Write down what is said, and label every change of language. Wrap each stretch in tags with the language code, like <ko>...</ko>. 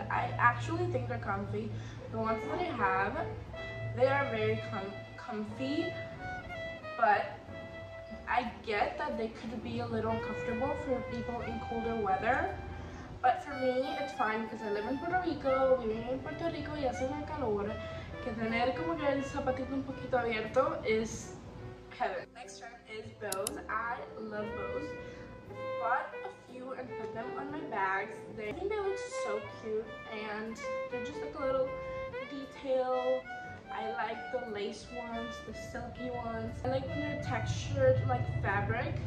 <en>I actually think they're comfy. The ones that I have, they are very comfy, but I get that they could be a little uncomfortable for people in colder weather. But for me, it's fine because I live in Puerto Rico.</en> <es>Viviendo en Puerto Rico y hace un calor que tener como que el zapatito un poquito abierto</es> <en>is heaven. Next trend is bows. I love bows. I bought a few and put them on my bags. I think they look so cute and they're just like a little detail. I like the lace ones, the silky ones. I like when they're textured like fabric.</en>